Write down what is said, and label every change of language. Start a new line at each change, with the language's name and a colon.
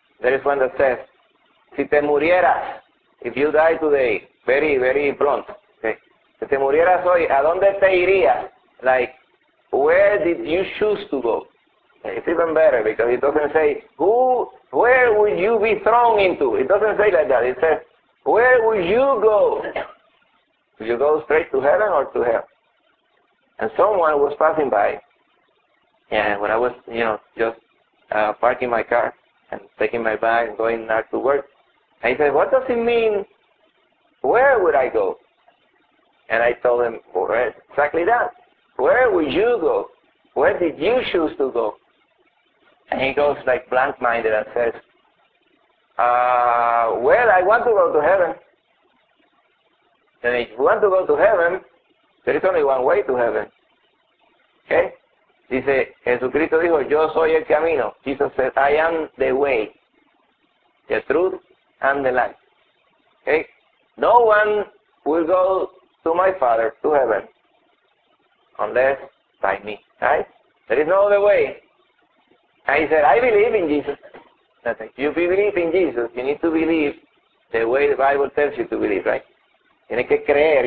English: There is one that says, "Si te murieras, if you die today," very very blunt.
Spanish: Okay, "Si te murieras hoy, ¿a dónde te irías?"
English: Like, where did you choose to go? It's even better because it doesn't say where would you be thrown into. It doesn't say like that. It says, where would you go? Would you go straight to heaven or to hell? And someone was passing by, and when I was, you know, just parking my car and taking my bag and going out to work, and he said, "What does it mean? Where would I go?" And I told him, well, exactly that. Where would you go? Where did you choose to go? And he goes like blank-minded and says, well, I want to go to heaven." Then if you want to go to heaven, there is only one way to heaven. Okay?
Spanish: Dice, Jesucristo dijo, "Yo soy el camino."
English: Jesus said, "I am the way, the truth, and the life." Okay? No one will go to my Father, to heaven, unless by me, right? There is no other way. And he said, "I believe in Jesus." That if you believe in Jesus, you need to believe the way the Bible tells you to believe, right? Tienes que creer.